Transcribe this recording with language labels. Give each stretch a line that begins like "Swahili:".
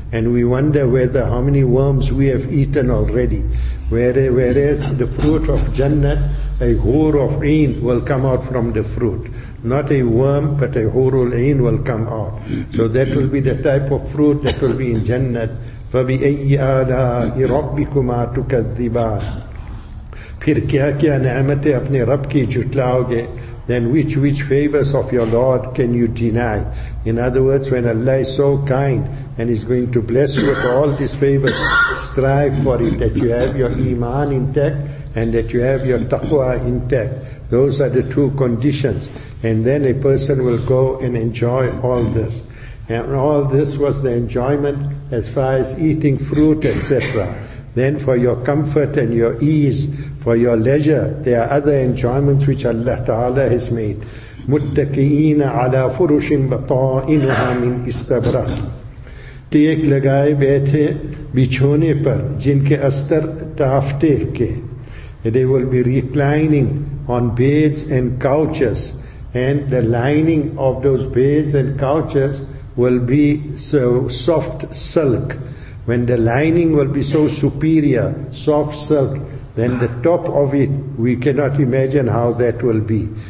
English: And we wonder whether how many worms we have eaten already. Whereas the fruit of Jannat, a hur of ain will come out from the fruit. Not a worm, but a hur of ain will come out. So that will be the type of fruit that will be in Jannat.
Arabic: فَبِأَيِّ آلَاءِ رَبِّكُمَا تُكَذِّبَانِ.
Urdu: پھر کیا کیا نعمتِ اپنے رب کی جھٹلاو گے.
English: Then which favors of your Lord can you deny? In other words, when Allah is so kind and is going to bless you with all these favors, strive for it, that you have your iman intact and that you have your taqwa intact. Those are the two conditions. And then a person will go and enjoy all this. And all this was the enjoyment as far as eating fruit, etc. Then for your comfort and your ease, for your leisure, there are other enjoyments which Allah Ta'ala has made.
Arabic: مُتَّكِئِينَ عَلَىٰ فُرُشٍ بَطَائِنُهَا مِنْ إِسْتَبْرَقٍ.
Urdu: ٹیک لگائے بیٹھے بچھونے پر جن کے استر تافتے کے.
English: They will be reclining on beds and couches, and the lining of those beds and couches will be so soft silk. When the lining will be so superior, soft silk, then the top of it, we cannot imagine how that will be.